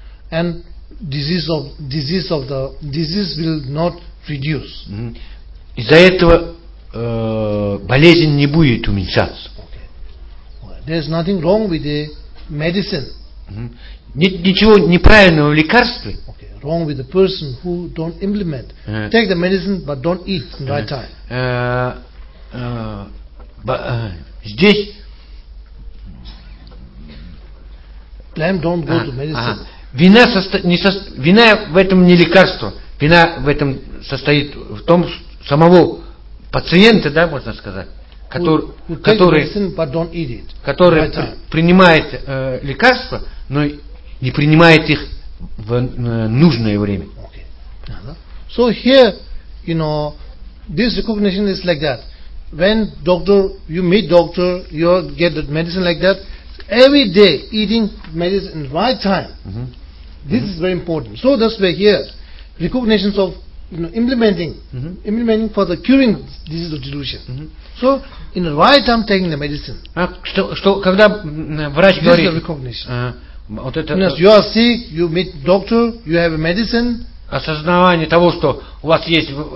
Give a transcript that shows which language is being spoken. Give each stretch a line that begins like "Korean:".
English: And disease will not reduce.
Russian: Из-за этого болезнь не будет уменьшаться.
English: Okay. There's nothing wrong with the medicine.
Russian: Нет ничего неправильного в лекарстве.
English: Okay. Wrong with the person who don't implement. Take the medicine, but don't eat in right time.
Russian: Здесь
English: blame don't go to medicine.
Russian: Вина вина в этом не лекарство. Вина в этом состоит в том самого пациента, да, можно сказать. Который принимает лекарства, но не принимает их в нужное время.
English: So here, you know, this recognition is like that. When doctor, you meet doctor, you get the medicine like that. Every day eating medicine right time. Mm-hmm. This mm-hmm. is very important. So that's why here, recognitions of you know implementing, mm-hmm. implementing for the curing disease of delusion. Mm-hmm. So in the right time taking the medicine.
Russian: А что что когда врач говорит?
English: This is the recognition.
Russian: Вот это.
English: Yes, you are sick. You meet doctor. You have a medicine.
Russian: Осознавание того, что у вас есть